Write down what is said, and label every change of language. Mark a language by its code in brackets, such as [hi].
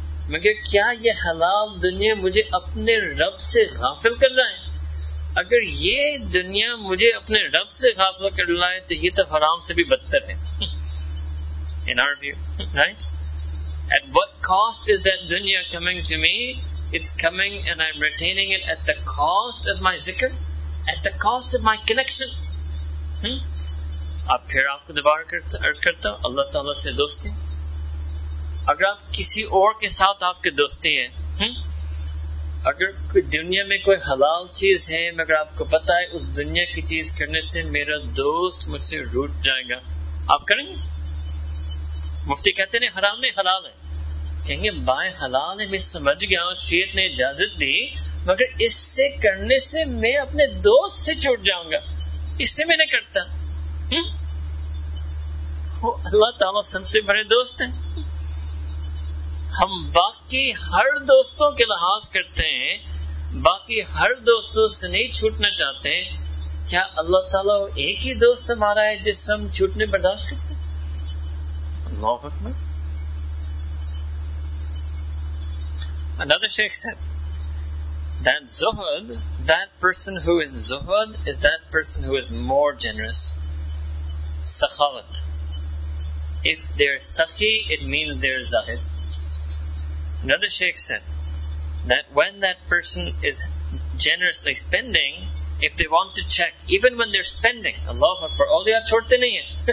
[ur] مگر کیا یہ حلال دنیا مجھے اپنے رب سے غافل کر رہا ہے؟ اگر یہ دنیا مجھے اپنے رب سے غافل کر رہا ہے تو یہ تو حرام سے بھی بدتر ہے. [en] In our view, right? At what cost is that dunya coming to me? It's coming and I'm retaining it at the cost of my zikr, at the cost of my connection. [ur] اب پھر آپ کو دوبارہ عرض کرتا ہوں, اللہ تعالیٰ سے دوستی, اگر آپ کسی اور کے ساتھ آپ کی دوستی ہے, اگر دنیا میں کوئی حلال چیز ہے مگر آپ کو پتا ہے اس دنیا کی چیز کرنے سے میرا دوست مجھ سے روٹ جائے گا, آپ کریں گے؟ مفتی کہتے ہیں حرام میں حلال ہے, کہیں گے بائیں حلال ہے میں سمجھ گیا ہوں, شریعت نے اجازت دی, مگر اس سے کرنے سے میں اپنے دوست سے چھوٹ جاؤں گا, اس سے میں نہیں کرتا. وہ اللہ تعالیٰ سب سے بڑے دوست ہیں. ہم باقی ہر دوستوں کے لحاظ کرتے ہیں, باقی ہر دوستوں سے نہیں چھوٹنا چاہتے ہیں. کیا اللہ تعالیٰ ایک ہی دوست ہمارا ہے جس سے ہم چھوٹنے برداشت کرتے ہیں؟ اللہ اکبر. [en] Another Shaykh said that zuhud, that person who is zuhud is that person who is more generous. Sakhawat. If they're sakhi, it means they're zahid. Another Shaykh said that when that person is generously spending, if they want to check, even when they're spending, Allah Akbar, [ur] awliya chhodte nahi hai.